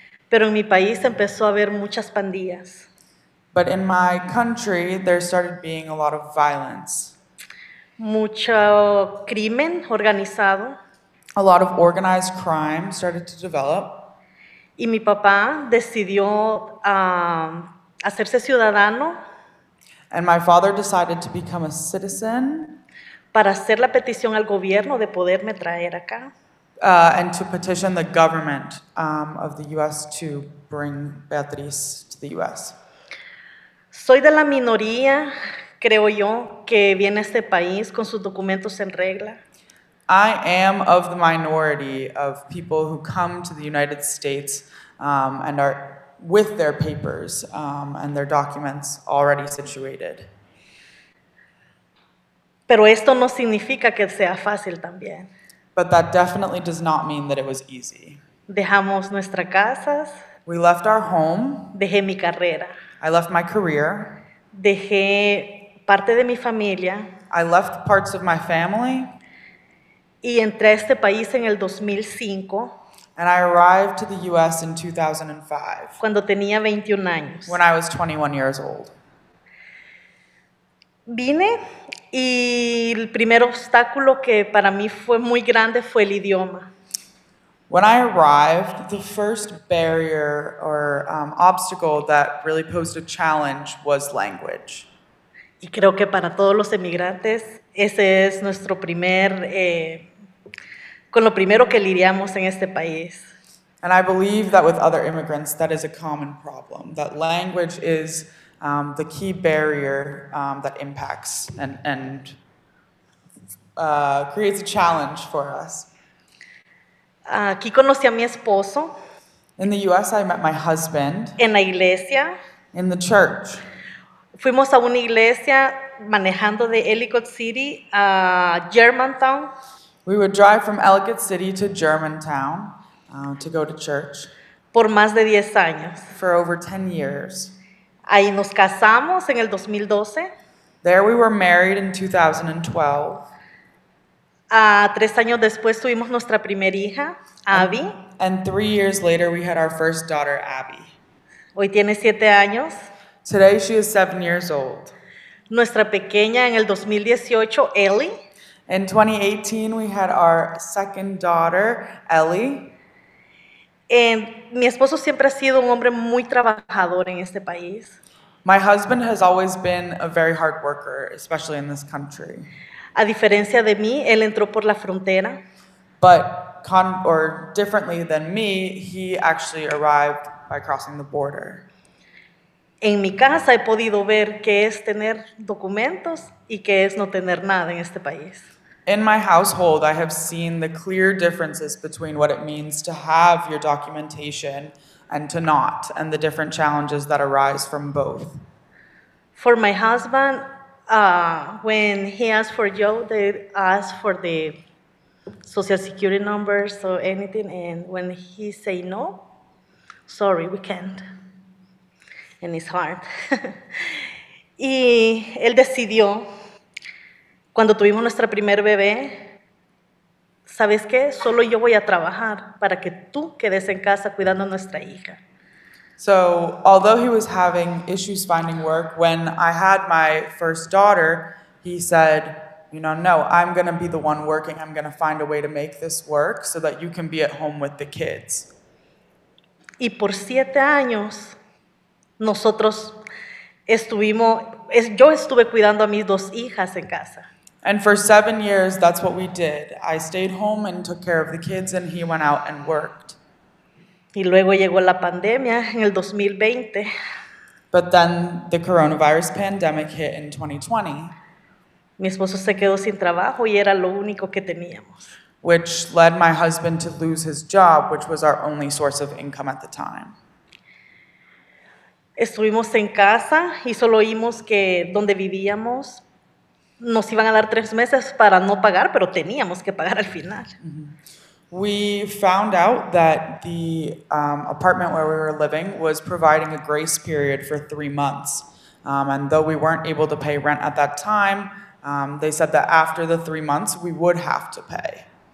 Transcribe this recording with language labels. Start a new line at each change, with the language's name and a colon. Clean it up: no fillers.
Spanish: Pero en mi país empezó a haber muchas pandillas.
English: But in my country, there started being a lot of violence.
Spanish: Mucho crimen organizado.
English: A lot of organized crime started to develop.
Spanish: Y mi papá decidió hacerse ciudadano.
English: And my father decided to become a citizen.
Spanish: Para hacer la petición al gobierno de poderme traer acá.
English: And to petition the government of the U.S. to bring Beatriz to the U.S.
Spanish: Soy de la minoría, creo yo, que viene a este país con sus documentos en regla.
English: I am of the minority of people who come to the United States and are with their papers and their documents already situated.
Spanish: Pero esto no significa que sea fácil también.
English: But that definitely does not mean that it was easy.
Spanish: Dejamos nuestras casas.
English: We left our home.
Spanish: Dejé mi carrera.
English: I left my career.
Spanish: Dejé parte de mi familia.
English: I left parts of my family.
Spanish: Y entré a este país en el 2005.
English: And I arrived to the U.S. in 2005.
Spanish: Cuando tenía 21 años.
English: When I was 21 years old.
Spanish: Vine y el primer obstáculo que para mí fue muy grande fue el idioma.
English: When I arrived, the first barrier or obstacle that really posed a challenge was language.
Spanish: Y creo que para todos los emigrantes, ese es nuestro primer, con lo primero que lidiamos en este país.
English: And I believe that with other immigrants, that is a common problem, that language is the key barrier that impacts and creates a challenge for us.
Spanish: Aquí conocí a mi esposo.
English: In the U.S., I met my husband.
Spanish: En la iglesia.
English: In the church.
Spanish: Fuimos a una iglesia manejando de Ellicott City a Germantown.
English: We would drive from Ellicott City to Germantown to go to church.
Spanish: Por más de 10 años.
English: For over 10 years.
Spanish: Ahí nos casamos en el 2012.
English: There we were married in 2012.
Spanish: Tres años después tuvimos nuestra primera hija, Abby.
English: And 3 years later, we had our first daughter, Abby.
Spanish: Hoy tiene 7 años.
English: Today, she is 7 years old.
Spanish: Nuestra pequeña en el 2018, Ellie.
English: In 2018, we had our second daughter, Ellie.
Spanish: Mi esposo siempre ha sido un hombre muy trabajador en este país.
English: My husband has always been a very hard worker, especially in this country.
Spanish: A diferencia de mí, él entró por la frontera.
English: But, or differently than me, he actually arrived by crossing the border.
Spanish: En mi casa he podido ver qué es tener documentos y qué es no tener nada en este país.
English: In my household, I have seen the clear differences between what it means to have your documentation and to not, and the different challenges that arise from both. For my husband, when he asked for Joe, they asked for the social security numbers or anything, and when he say no, sorry, we can't. And it's hard.
Spanish: Y él decidió, cuando tuvimos nuestra primer bebé, ¿sabes qué? Solo yo voy a trabajar para que tú quedes en casa cuidando a nuestra hija.
English: So, although he was having issues finding work, when I had my first daughter, he said, you know, no, I'm going to be the one working. I'm going to find a way to make this work so that you can be at home with the kids.
Spanish: Y por 7 años, nosotros estuvimos, yo estuve cuidando a mis dos hijas en casa.
English: And for 7 years, that's what we did. I stayed home and took care of the kids, and he went out and worked.
Spanish: Y luego llegó la pandemia en el 2020.
English: But then the coronavirus pandemic hit in 2020.
Spanish: Mi esposo se quedó sin trabajo y era lo único que teníamos.
English: Which led my husband to lose his job, which was our only source of income at the time.
Spanish: Estuvimos en casa y solo oímos que donde vivíamos nos iban a dar 3 meses para no pagar, pero teníamos que pagar al final. Mm-hmm.
English: We found out that the apartment where we were living was providing a grace period for 3 months. And though we weren't able to pay rent at that time, they said that after the 3 months, we would have to pay.